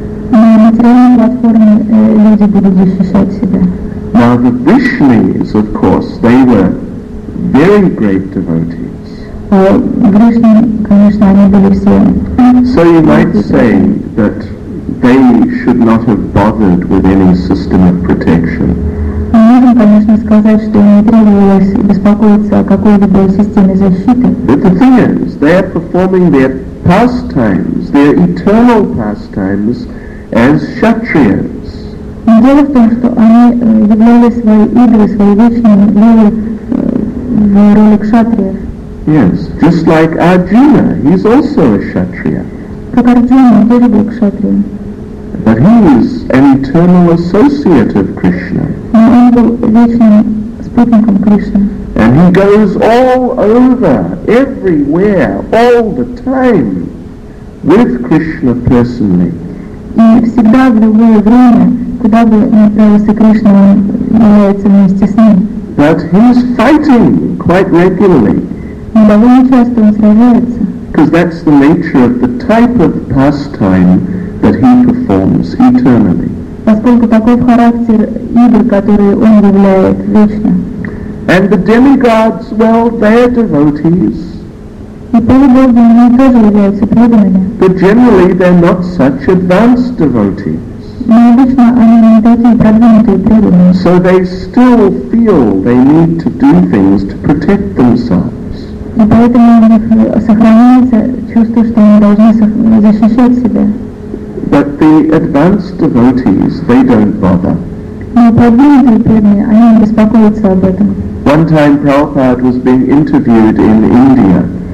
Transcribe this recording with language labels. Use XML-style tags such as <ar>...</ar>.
<ru>На материальной платформе люди будут защищать себя.</ru> <en>Now the Vishnis, of course, they were very great devotees.</en> <ru>Вишни, конечно, они были все.</ru> <en>So you might say that they should not have bothered with any system of protection.</en> <ru>Мы можем, конечно, сказать, что им не требовалось беспокоиться о какой-либо системе защиты.</ru> <en>But the thing is, they are performing their pastimes, their eternal pastimes. As kshatriyas.</en> <ru>Дело в том, что они являли свои игры, свои вечные игры в роли кшатриев.</ru> <en>Yes, just like Arjuna, he's also a kshatriya.</en> <ru>Как Арджуна, тоже был кшатрием.</ru> <en>But he is an eternal associate of Krishna.</en> <ru>Но он был вечным спутником Кришны.</ru> <en>And he goes all over, everywhere, all the time with Krishna personally.</en> <ru>И всегда в любое время, куда бы ни отправился Кришна, он является вместе с ним.</ru> <en>But he is fighting quite regularly.</en> <ru>Но довольно часто он сражается.</ru> <en>Because that's the nature of the type of pastime that he performs eternally.</en> <ru>Поскольку такой характер игр, который он являет вечно.</ru> <en>And the demigods, well, they are devotees.</en> <ru>И полубоги, они тоже являются преданными.</ru> <en>But generally they're not such advanced devotees.</en> <ru>Но обычно они не такие продвинутые преданные.</ru> <en>So they still feel they need to do things to protect themselves.</en> <ru>И поэтому у них сохраняется чувство, что они должны защищать себя.</ru> <en>But the advanced devotees, they don't bother.</en> <ru>Но продвинутые преданные, они не беспокоятся об этом.</ru> <en>One time Prabhupada was being interviewed in India.</en>